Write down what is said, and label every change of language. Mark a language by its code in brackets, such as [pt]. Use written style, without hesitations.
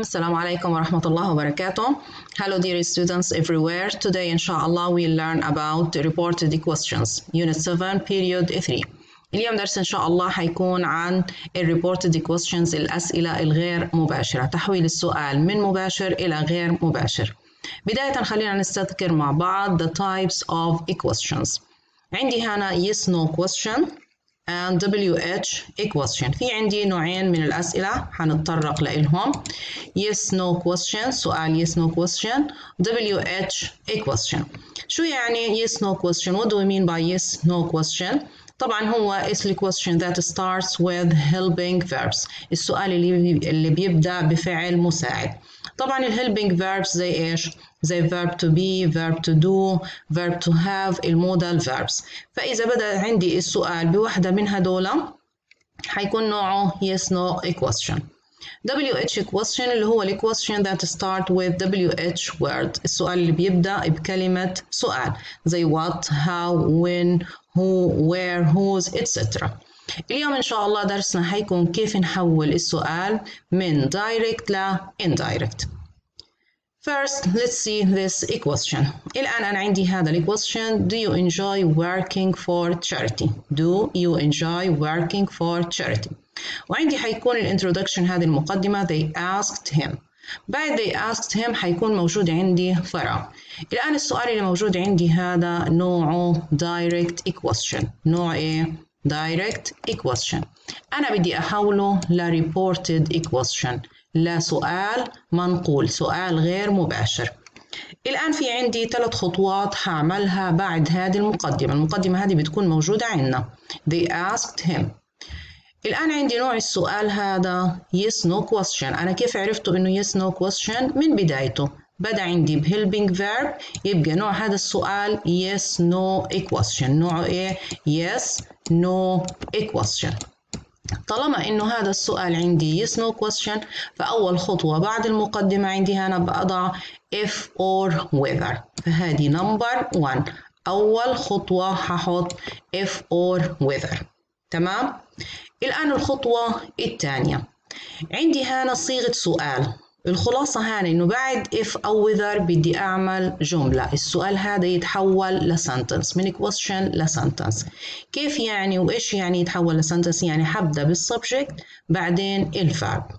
[ar] السلام عليكم ورحمة الله وبركاته. [en] Hello dear students everywhere. Today inshallah we learn about reported questions. Unit 7 period 3. [ar] اليوم درس إن شاء الله حيكون عن الـ reported questions، الأسئلة الغير مباشرة، تحويل السؤال من مباشر إلى غير مباشر. بداية خلينا نستذكر مع بعض [en] the types of questions. [ar] عندي هنا [en] yes no question and WH question. [ar] في عندي نوعين من الأسئلة حنتطرق لإلهم. [en] Yes no question، سؤال yes no question، WH question. [ar] شو يعني [en] yes no question؟ What do we mean by yes no question؟ [ar] طبعا هو [en] is the question that starts with helping verbs. [ar] السؤال اللي بيبدأ بفعل مساعد. [en] طبعا ال helping verbs زي إيش؟ زي verb to be, verb to do, verb to have, المودال verbs. [ar] فإذا بدأ عندي السؤال بوحدة من هدول حيكون نوعه yes no question. [en] WH question [ar] اللي هو [en] the question that start with WH word. [ar] السؤال اللي بيبدأ بكلمة سؤال زي [en] what, how, when, who, where, whose, etc. [ar] اليوم إن شاء الله درسنا حيكون كيف نحول السؤال من direct ل indirect. [en] First, let's see this equation. [ar] الآن أنا عندي هذا equation. [en] Do you enjoy working for charity? Do you enjoy working for charity? [ar] وعندي حيكون الintroduction هذه المقدمة. [en] They asked him. [ar] بعد [en] they asked him [ar] حيكون موجود عندي فراغ. الآن السؤال اللي موجود عندي هذا نوعه direct equation. نوع إيه؟ direct equation. أنا بدي أحوله ل reported equation. لا سؤال منقول، سؤال غير مباشر. الآن في عندي ثلاث خطوات حعملها بعد هذه المقدمة، المقدمة هذه بتكون موجودة عندنا. [en] They asked him. [ar] الآن عندي نوع السؤال هذا yes no question. أنا كيف عرفته إنه yes no question؟ من بدايته. بدأ عندي ب helping verb، يبقى نوع هذا السؤال yes no question. نوعه إيه؟ [en] yes no question. [ar] طالما إنه هذا السؤال عندي yes no question، فأول خطوة بعد المقدمة عندي هنا بأضع [en] if or whether. [ar] فهذه number one، أول خطوة هحط [en] if or whether. [ar] تمام؟ الآن الخطوة الثانية عندي هنا صيغة سؤال. الخلاصة هنا إنه بعد if أو whether بدي أعمل جملة. السؤال هذا يتحول لسنتنس، من question لسنتنس. كيف يعني وإيش يعني يتحول لسنتنس؟ يعني حبدأ بالسبجكت بعدين الفعل.